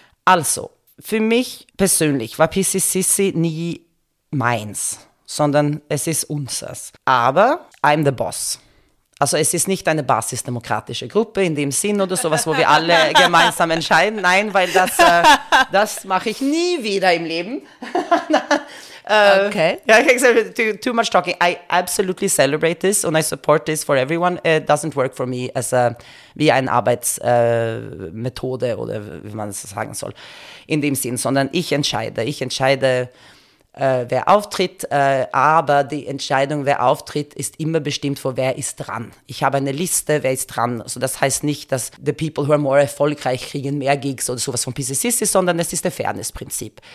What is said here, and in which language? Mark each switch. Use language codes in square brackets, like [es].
[de] Also, für mich persönlich war PCCC nie meins, sondern es ist unseres. Aber I'm the boss. Also es ist nicht eine basisdemokratische Gruppe in dem Sinn oder sowas, wo wir alle gemeinsam entscheiden. Nein, weil das mache ich nie wieder im Leben. Okay. [en] Too much talking. I absolutely celebrate this and I support this for everyone. [de] It doesn't work for me as a, wie eine Arbeitsmethode oder wie man es sagen soll in dem Sinn, sondern ich entscheide. Ich entscheide, wer auftritt, aber die Entscheidung, wer auftritt, ist immer bestimmt von wer ist dran. Ich habe eine Liste, wer ist dran. Also das heißt nicht, dass the people who are more erfolgreich kriegen mehr Gigs oder sowas von PCCC, sondern es ist der Fairness-Prinzip.